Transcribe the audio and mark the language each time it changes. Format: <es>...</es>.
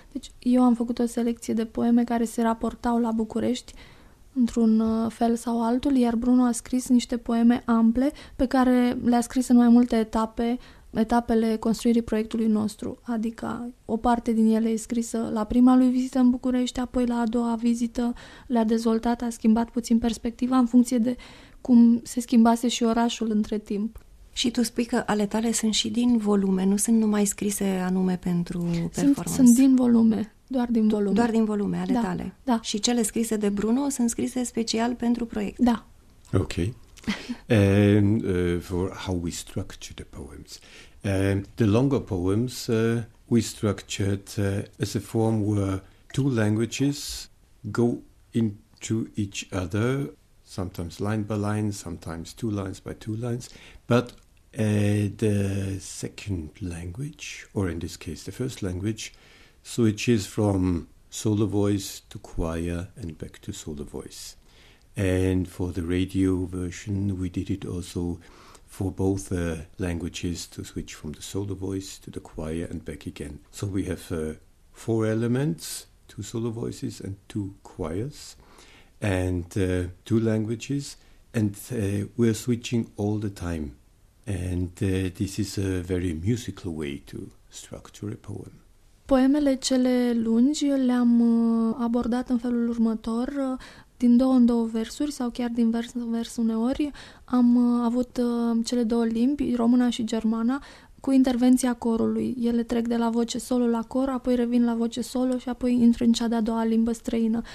<ro>Deci eu am făcut o selecție de poeme care se raportau la București într-un fel sau altul, iar Bruno a scris niște poeme ample pe care le-a scris în mai multe etape, etapele construirii proiectului nostru, adică o parte din ele e scrisă la prima lui vizită în București, apoi la a doua vizită le-a dezvoltat, a schimbat puțin perspectiva în funcție de cum se schimbase și orașul între timp. Și tu spui că ale tale sunt și din volume, nu sunt numai scrise anume pentru performance. Sunt din volume, doar din volume. Doar din volume, ale da, tale. Da. Și cele scrise de Bruno sunt scrise special pentru proiect. Da. Ok.</ro> <en>And for how we structure the poems. The longer poems we structured as a form where two languages go into each other, sometimes line by line, sometimes two lines by two lines, but the second language, or in this case the first language, switches from solo voice to choir and back to solo voice. And for the radio version, we did it also for both languages to switch from the solo voice to the choir and back again. So we have four elements, two solo voices and two choirs, and two languages. And we are switching all the time. And this is a very musical way to structure a poem.</en> <ro>Poemele cele lungi le-am abordat în felul următor. Din două în două versuri sau chiar din vers în vers uneori, am avut cele două limbi, româna și germana, cu intervenția corului. Ele trec de la voce solo la cor, apoi revin la voce solo și apoi intră în cea de-a doua limbă străină.</ro>